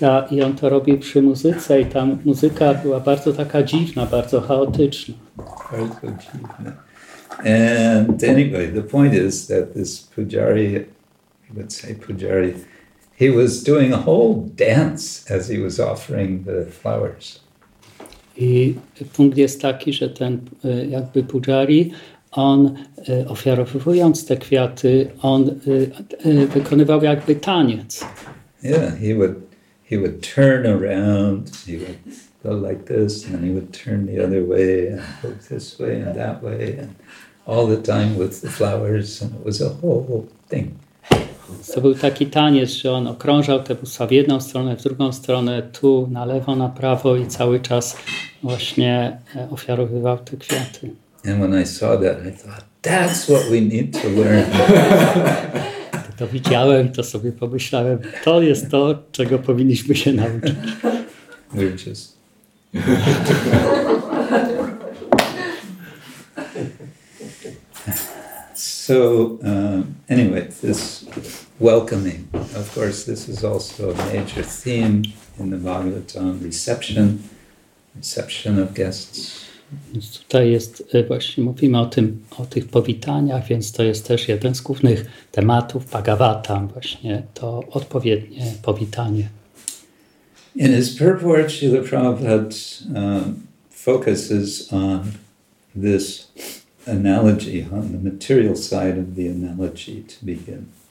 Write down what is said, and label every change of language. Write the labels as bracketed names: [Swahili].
[Polish] I on to robił przy muzyce i ta muzyka była bardzo taka dziwna, bardzo chaotyczna. Bardzo dziwna. [English] And anyway, the point is that this pujari, let's say pujari, he was doing a whole dance as he was offering the flowers. [Polish] I punkt jest taki, że ten jakby pujari, on ofiarowując te kwiaty, on wykonywał jakby taniec. [English] Yeah, he would turn around, he would go like this, and then he would turn the other way, and go this way and that way, and all the time with the flowers, and it was a whole thing. [Polish] To był taki taniec, że on okrążał te bóstwa w jedną stronę, w drugą stronę, tu, na lewo, na prawo i cały czas właśnie ofiarowywał te kwiaty. [English] And when I saw that, I thought, that's what we need to learn. [Polish] To widziałem, to sobie pomyślałem, to jest to, czego powinniśmy się nauczyć. [English] We're just... So, anyway, this welcoming, of course, this is also a major theme in the Bhagavatam, reception of guests. [Polish] Więc tutaj jest, właśnie mówimy o tym, o tych powitaniach, więc to jest też jeden z głównych tematów Bhagavatam, właśnie to odpowiednie powitanie. [English] In his purport, Śrīla Prabhupāda focuses on this analogy, on the material side of the analogy to begin.